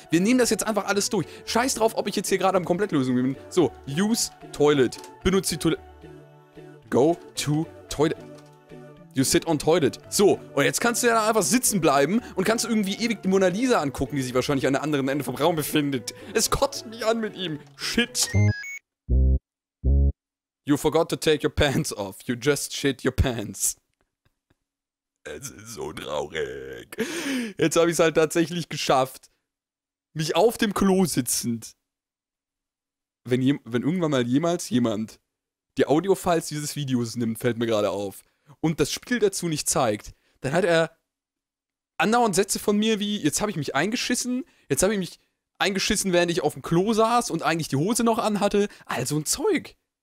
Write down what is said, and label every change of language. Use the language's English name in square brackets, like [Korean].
[German] Wir nehmen das jetzt einfach alles durch. Scheiß drauf, ob ich jetzt hier gerade am Komplettlösung bin. [English] So, use Toilet. [German] Benutze die Toilet. [English] Go to Toilet. You sit on toilet. [German] So, und jetzt kannst du ja einfach sitzen bleiben und kannst irgendwie ewig die Mona Lisa angucken, die sich wahrscheinlich an der anderen Ende vom Raum befindet. Es kotzt mich an mit ihm. Shit. [English] You forgot to take your pants off. You just shit your pants. [German] Es ist so traurig. Jetzt habe ich es halt tatsächlich geschafft, mich auf dem Klo sitzend. Wenn irgendwann mal jemals jemand die Audio-Files dieses Videos nimmt, fällt mir gerade auf. Und das Spiel dazu nicht zeigt, dann hat er andauernd Sätze von mir wie, jetzt habe ich mich eingeschissen, jetzt habe ich mich eingeschissen, während ich auf dem Klo saß und eigentlich die Hose noch anhatte, all so ein Zeug.